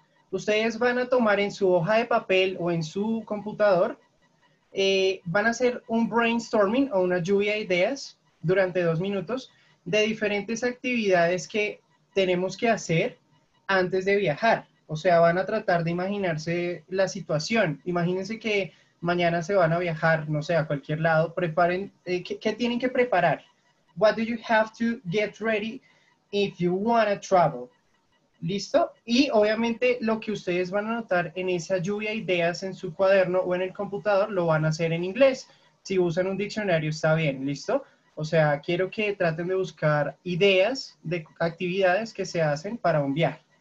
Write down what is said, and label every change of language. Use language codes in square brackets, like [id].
[es] Ustedes van a tomar en su hoja de papel o en su computador, van a hacer un brainstorming o una lluvia de ideas durante 2 minutos de diferentes actividades que tenemos que hacer antes de viajar. O sea, van a tratar de imaginarse la situación. Imagínense que mañana se van a viajar, no sé, a cualquier lado. Preparen, ¿qué tienen que preparar? [en] What do you have to get ready if you want to travel? [es] ¿Listo? Y obviamente lo que ustedes van a anotar en esa lluvia de ideas en su cuaderno o en el computador lo van a hacer en inglés. Si usan un diccionario está bien, ¿listo? O sea, quiero que traten de buscar ideas de actividades que se hacen para un viaje.